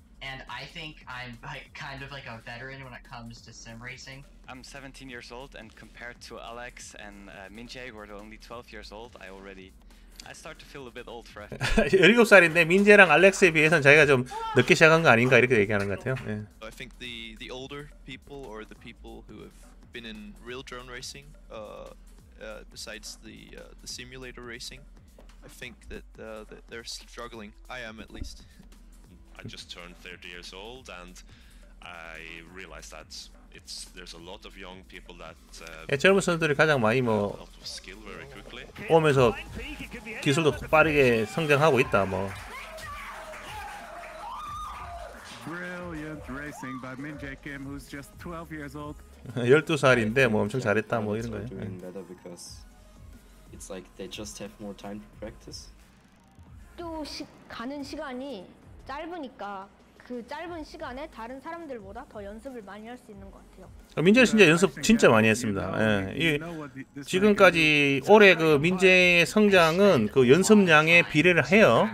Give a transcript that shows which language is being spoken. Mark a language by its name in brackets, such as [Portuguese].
[English] And I think I'm like kind of like a veteran when it comes to sim racing. I'm 17 years old, and compared to Alex and Minjae, who are only 12 years old, I start to feel a bit old for it. [Korean] 17살인데 민재랑 알렉스에 비해서는 자기가 좀 늦게 시작한 거 아닌가 이렇게 얘기하는 것 같아요. 예. [English] I think the older people or the people who have been in real drone racing, besides the simulator racing, I think that they're struggling. I am at least. I just turned 30 years old and I realized that there's a lot of young people that [Korean] 예, 젊은 선수들이 가장 많이 뭐 오면서 기술도 빠르게 성장하고 있다 뭐. [English] Brilliant racing by Minjae Kim who's just 12 years old. [Korean] 12살인데 뭐 엄청 잘했다 뭐 이런 거예요. [English] Because it's like they just have more time to practice. [Korean] 또 가는 시간이 짧으니까 그 짧은 시간에 다른 사람들보다 더 연습을 많이 할 수 있는 것 같아요. 민재 진짜 연습 진짜 많이 했습니다. 예. 지금까지 올해 그 민재의 성장은 그 연습량에 비례를 해요.